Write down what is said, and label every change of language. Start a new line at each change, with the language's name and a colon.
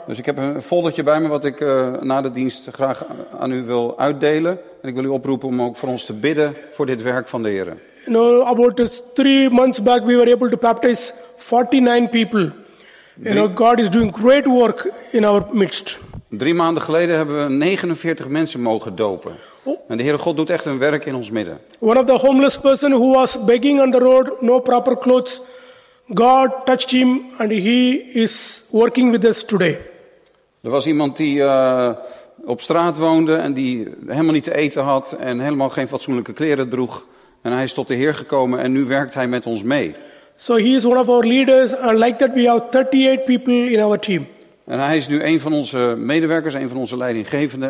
Dutch: Dus ik heb een foldertje bij me wat ik na de dienst graag aan u wil uitdelen. En ik wil u oproepen om ook voor ons te bidden voor dit werk van de Here.
English: You know, about 3 months back we were able to baptize 49 people. You know, God is doing great work in our midst.
Dutch: 3 maanden geleden hebben we 49 mensen mogen dopen. En de Heere God doet echt een werk in ons midden.
English: One of the homeless person who was begging on the road, no proper clothes, God touched him and he is working with us today.
Dutch: Er was iemand die op straat woonde en die helemaal niet te eten had en helemaal geen fatsoenlijke kleren droeg. En hij is tot de Heer gekomen en nu werkt hij met ons mee.
English: So he is one of our leaders and like that we have 38 people in our team.
Dutch: En hij is nu een van onze medewerkers, een van onze leidinggevenden.